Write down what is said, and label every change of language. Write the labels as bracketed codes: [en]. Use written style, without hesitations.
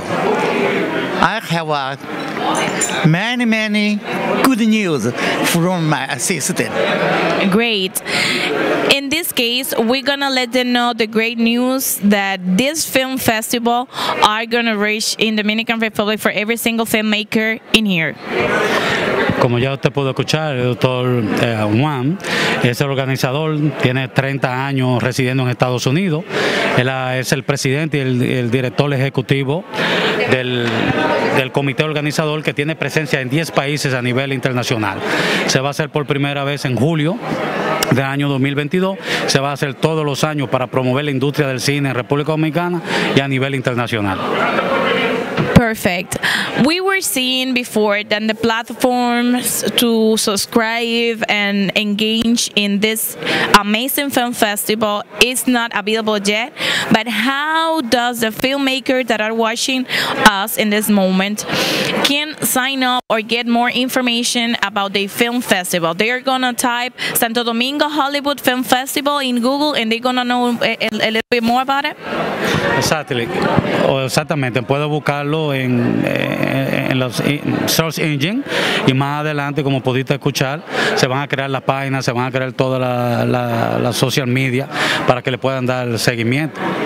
[en] I have many good news from my assistant. Great. In this case, we're gonna let them know the great news that this film festival are gonna reach in Dominican Republic for every single filmmaker in here. [es] Como ya usted pudo escuchar, el doctor Juan es el organizador, tiene 30 años residiendo en Estados Unidos. Él es el presidente y el director ejecutivo del comité organizador, que tiene presencia en 10 países a nivel internacional. Se va a hacer por primera vez en julio del año 2022. Se va a hacer todos los años para promover la industria del cine en República Dominicana y a nivel internacional. [en] Perfect. We were seeing before that the platforms to subscribe and engage in this amazing film festival is not available yet. But how does the filmmakers that are watching us in this moment can sign up or get more information about the film festival? They are going to type Santo Domingo Hollywood Film Festival in Google and they're going to know a little bit more about it? [es] Exactamente, puedo buscarlo en los search engine y más adelante, como pudiste escuchar, se van a crear las páginas, se van a crear todas las social media para que le puedan dar el seguimiento.